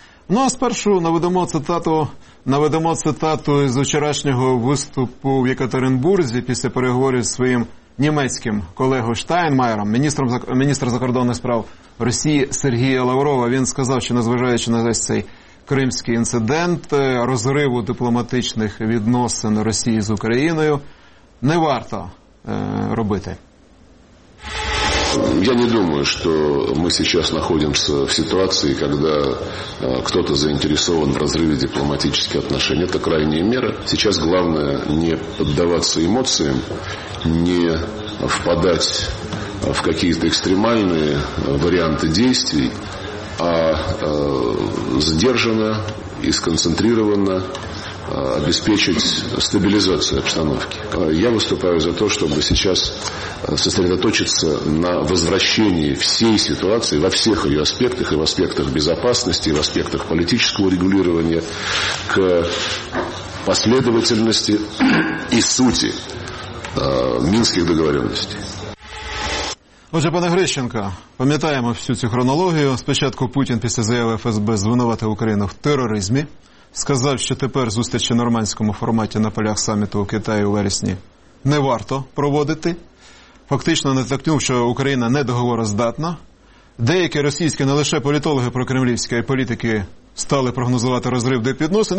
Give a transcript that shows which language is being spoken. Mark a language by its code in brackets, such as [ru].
[uk] Ну, а спершу наведемо цитату із вчорашнього виступу в Єкатеринбурзі після переговорів з своїм німецьким колегою Штайнмайером, міністром закордонних справ Росії Сергія Лаврова. Він сказав, що незважаючи на весь цей кримський інцидент, розриву дипломатичних відносин Росії з Україною, не варто робити. [ru] Я не думаю, что мы сейчас находимся в ситуации, когда кто-то заинтересован в разрыве дипломатических отношений. Это крайняя мера. Сейчас главное не поддаваться эмоциям, не впадать в какие-то экстремальные варианты действий, а сдержанно и сконцентрированно обеспечить стабилизацию обстановки. Я выступаю за то, чтобы сейчас сосредоточиться на возвращении всей ситуации во всех ее аспектах, и в аспектах безопасности, и в аспектах политического регулирования, к последовательности и сути минских договоренностей. [uk] Отже, пане Грищенко, пам'ятаємо всю цю хронологію. Спочатку Путін після заяви ФСБ звинуватив Україну в тероризмі. Сказав, що тепер зустрічі в нормандському форматі на полях саміту у Китаї у вересні не варто проводити. Фактично натякнув, що Україна не договороздатна. Деякі російські, не лише політологи прокремлівські, а й політики стали прогнозувати розрив дипвідносин.